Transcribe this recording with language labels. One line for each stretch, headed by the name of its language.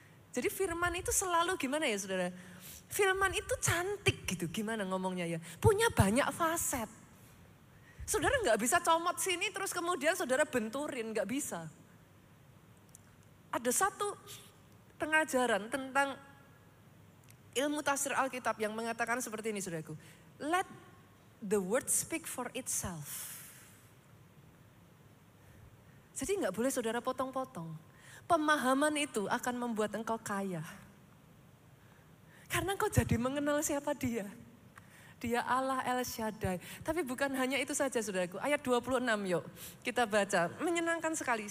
Indonesian: Jadi firman itu selalu gimana ya saudara? Firman itu cantik gitu, gimana ngomongnya ya? Punya banyak faset. Saudara gak bisa comot sini terus kemudian saudara benturin, gak bisa. Ada satu pengajaran tentang ilmu tafsir Alkitab yang mengatakan seperti ini saudaraku.
English: Let the word speak for itself.
Indonesian: Jadi gak boleh saudara potong-potong. Pemahaman itu akan membuat engkau kaya. Karena engkau jadi mengenal siapa dia. Dia Allah El Shaddai. Tapi bukan hanya itu saja saudaraku. Ayat 26 yuk kita baca. Menyenangkan sekali.